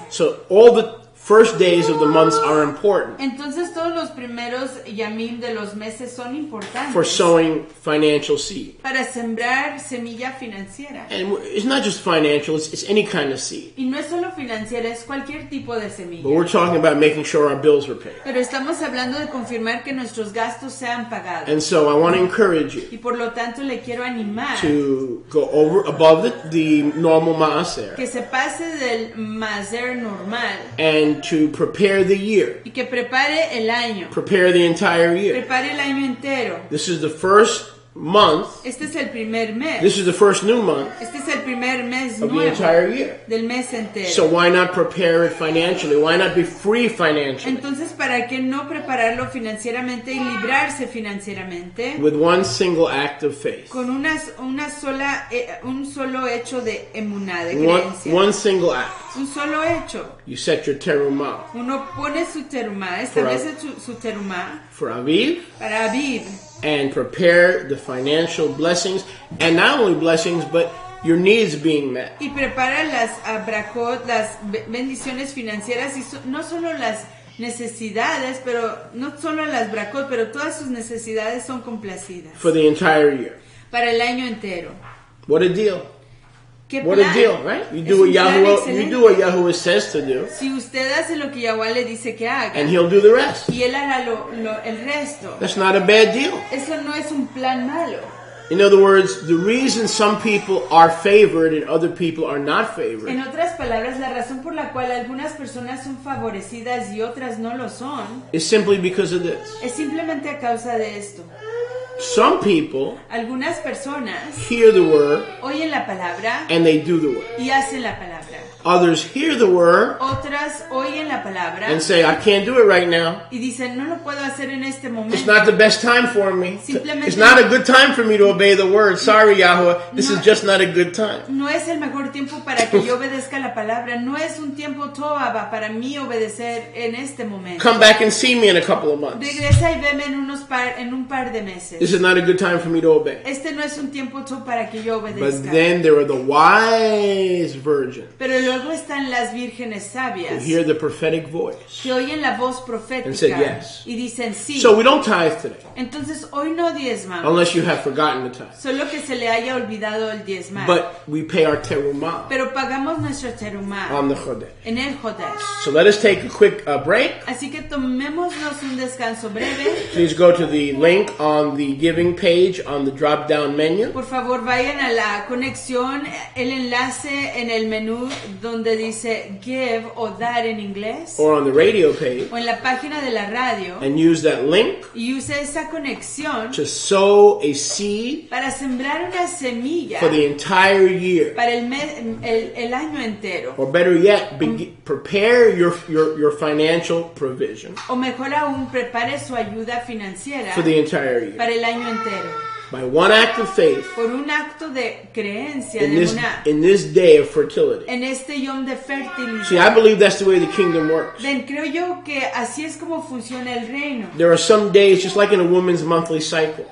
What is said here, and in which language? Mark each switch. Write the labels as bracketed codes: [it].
[en] So all the first days of the months are important. [es] Entonces todos los primeros yamim de los meses son importantes. [en] For sowing financial seed. [es] Para sembrar semilla financiera. [en] And it's not just financial, it's any kind of seed. [es] Y no es solo financiera, es cualquier tipo de semilla. [en] But we're talking about making sure our bills are paid. [es] Pero estamos hablando de confirmar que nuestros gastos sean pagados. [en] And so I want to encourage you. [es] Y por lo tanto le quiero animar. [en] To go over above the normal maaser. [es] Que se pase del maaser normal. [en] And to prepare the year. [es] Y que prepare el año. [en] Prepare the entire year. [es] Prepare el año entero. [en] This is the first month. [es] Este es el primer mes. [en] This is the first new month. [es] Este es el primer mes [en] of the entire year. [es] Del mes entero. [en] So why not prepare it financially? Why not be free financially? [es] Entonces, ¿para qué no prepararlo financieramente y librarse financieramente? [en] With one single act of faith. [es] Con un solo hecho de emuná, de [en] creencia. One single act. [es] Un solo hecho. [en] You set your terumah. [es] Uno pone su terumah. Establece su terumah. [en] For Aviv. [es] Para Aviv. [en] And prepare the financial blessings. And not only blessings, but your needs being met. [es] Y prepara las brakot, las bendiciones financieras. Y no solo las necesidades, pero no solo las brakot, pero todas sus necesidades son complacidas. [en] For the entire year. [es] Para el año entero. [en] What a deal. What plan. A deal, right? You do what Yahuwah [es] excelente. [en] You do what Yahuwah says to do. [es] Si usted hace lo que Yahuwah le dice que haga, [en] and he'll do the rest. [es] Y él hará el resto. [en] That's not a bad deal. [es] Eso no es un plan malo. [en] In other words, the reason some people are favored and other people are not favored. [es] En otras palabras, la razón por la cual algunas personas son favorecidas y otras no lo son. [en] Is simply because of this. [es] Es simplemente a causa de esto. [en] Some people, [es] algunas personas, [en] hear the word, [es] oyen la palabra, [en] and they do the word, [es] y hacen la palabra. [en] Others hear the word, [es] otras oyen la palabra, [en] and say, I can't do it right now, [es] y dicen, no lo puedo hacer en este momento. [en] It's not the best time for me, [es] simplemente, [en] it's not a good time for me to obey the word, sorry Yahuwah, this no, is just not a good time. [es] No es el mejor tiempo para que yo obedezca la palabra, no es un tiempo toaba para mí obedecer en este momento. [en] Come back and see me in a couple of months. [es] Regresa y veme en un par de meses. [en] This is not a good time for me to obey. [es] Este no es un tiempo para que yo obedezca. [en] But then there are the wise virgins. [es] Pero luego están las vírgenes sabias. [en] Who hear the prophetic voice. [es] Que oyen la voz profética. [en] And say yes. [es] Y dicen sí. [en] So we don't tithe today. [es] Entonces hoy no diezmamos. [en] Unless you have forgotten the tithe. [es] Solo que se le haya olvidado el diezmar. [en] But we pay our terumah. [es] Pero pagamos nuestro terumah. [en] On the Chodesh. [es] En el Chodesh. [en] So let us take a quick break. [es] Así que tomémonos un descanso breve. [en] Please go to the link on the giving page on the drop down menu. [es] Por favor, vayan a la conexión, el enlace en el menú donde dice give o dar en inglés. [en] Or on the radio page. [es] O en la página de la radio. [en] And use that link. [es] Y use esa conexión. [en] To sow a seed. [es] Para sembrar una semilla. [en] For the entire year. [es] Para el año entero. [en] Or better yet, prepare your financial provision. [es] O mejor aún, prepare su ayuda financiera. [en] For the entire year. [es] Para el año entero. [en] By one act of faith. [es] Por un acto de creencia, [en] in this day of fertility. [es] En este yom de fertilidad. [en] See, I believe that's the way the kingdom works. [es] Ven, creo yo que así es como funciona el reino. [en] There are some days, just like in a woman's monthly cycle.